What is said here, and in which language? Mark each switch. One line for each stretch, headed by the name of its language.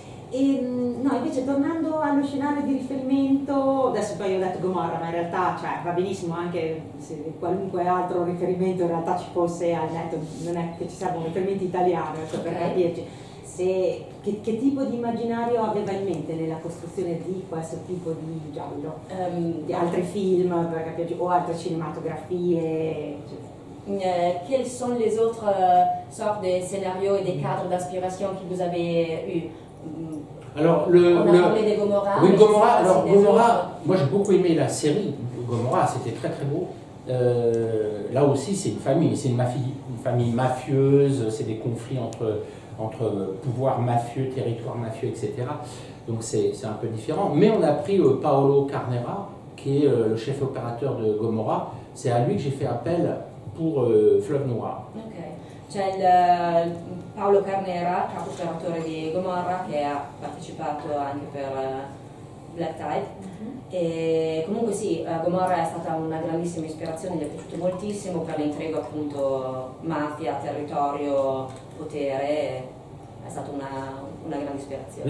Italian: E, no, invece tornando allo scenario di riferimento, adesso poi ho detto Gomorra, ma in realtà cioè, va benissimo anche se qualunque altro riferimento in realtà ci fosse, al netto, non è che ci servono riferimenti italiani, cioè, okay. Per capirci, che tipo di immaginario aveva in mente nella costruzione di questo tipo di giallo, di altri film, per capirci, o altre cinematografie, eccetera.
French: Quels sont les autres sortes de scénarios et des cadres d'inspiration que vous avez eu? Alors moi j'ai beaucoup aimé la série Gomorra, c'était très très beau. Là aussi c'est une famille, une famille mafieuse, c'est des conflits entre pouvoir mafieux, territoire mafieux, etc. Donc c'est un peu différent. Mais on a pris Paolo Carnera, qui est le chef opérateur de Gomorra. C'est à lui que j'ai fait appel pour Fleuve Noir. Okay.
Italian: C'è il Paolo Carnera, capo operatore di Gomorra, che ha partecipato anche per Black Tide. Mm-hmm. E comunque sì, Gomorra è stata una grandissima ispirazione, gli è piaciuto moltissimo per l'intrigo appunto mafia, territorio, potere, è stata una grande ispirazione.